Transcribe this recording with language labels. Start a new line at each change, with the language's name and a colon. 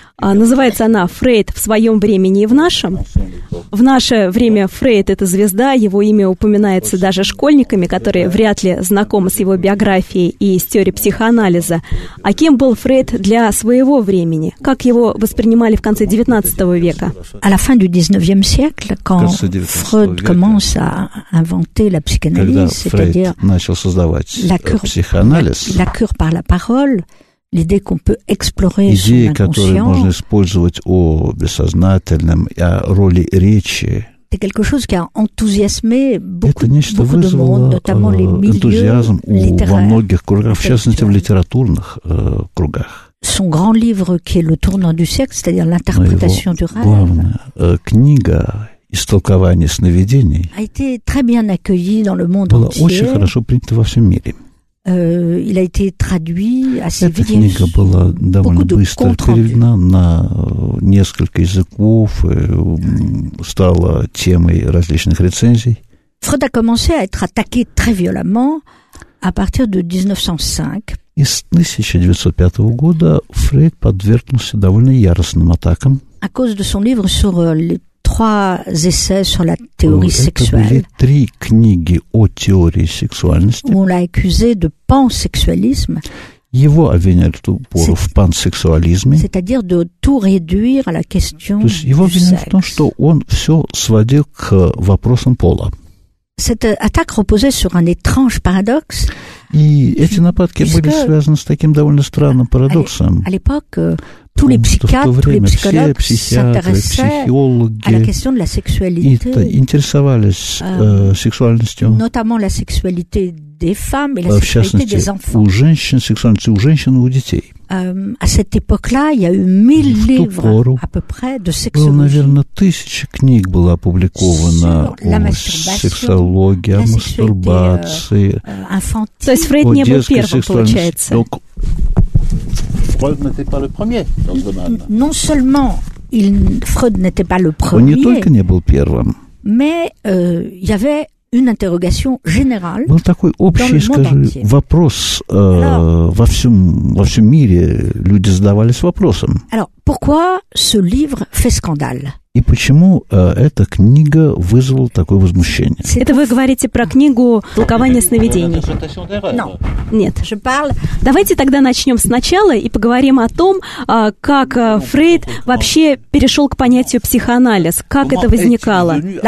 Russian: Называется она «Фрейд в своем времени и в нашем». В наше время Фрейд — это звезда, его имя упоминается даже школьниками, которые вряд ли знакомы с его биографией и с теорией психоанализа. А кем был Фрейд для своего времени? Как его воспринимали в конце XIX века?
French: À la fin du XIXe siècle, quand Freud commence à inventer la psychanalyse, c'est-à-dire
Russian: начал создавать психоанализ,
French: la cure par la parole, l'idée qu'on peut explorer son inconscient,
Russian: которую можно использовать о бессознательном, о роли речи.
French: C'est quelque chose qui a enthousiasmé beaucoup de monde, notamment les milieux littéraires. Son grand livre qui est le tournant du siècle, c'est-à-dire l'interprétation du rêve.
Russian: Книга «Истолкование сновидений»
French: a été très bien accueilli dans le monde entier.
Russian: Была очень хорошо принята во всем мире.
French: Il a été traduit assez
Russian: Эта
French: vite.
Russian: Книга была довольно быстро переведена на несколько языков, стала темой различных рецензий.
French: Фрейд a commencé à être attaqué très violemment à partir de 1905.
Russian: И с 1905 года Фрейд подвергнулся довольно яростным атакам.
French: À cause de son livre sur les trois essais sur la théorie sexuelle.
Russian: Это были три книги о теории сексуальности.
French: On l'a accusé de pansexualisme.
Russian: Его обвиняли в ту пору в пансексуализме.
French: C'est-à-dire de tout réduire à la question du sexe.
Russian: Его обвиняли в том, что он все сводил к вопросам пола.
French: Cette attaque reposait sur un étrange paradoxe.
Russian: И эти нападки были связаны с таким довольно странным парадоксом.
French: À l'époque, tous les psychiatres, tous les psychologues s'intéressaient à la question de la sexualité.
Russian: Интересовались сексуальностью.
French: Notamment la sexualité des femmes et la sexualité des enfants.
Russian: У женщин, сексуальность у женщин и у детей.
French: À cette époque-là, il y a eu 1000 livres à peu près de sexologie.
Russian: Было, наверное, тысяча книг было опубликовано о сексологии, о мастурбации. То есть Фрейд не был первым, получается.
French: Donc, Freud n'était pas le premier dans ce domaine. Non seulement Freud n'était pas le premier.
Russian: Он не только не был первым.
French: Mais il y avait une interrogation générale.
Russian: Был такой общий, скажи, вопрос во всем мире люди задавались вопросом.
French: Alors, pourquoi ce livre fait scandale?
Russian: И почему эта книга вызвала такое возмущение? Это вы говорите про книгу «Толкование сновидений». No. Нет. Давайте тогда начнем сначала и поговорим о том, как Фрейд вообще перешел к понятию психоанализ, как это возникало.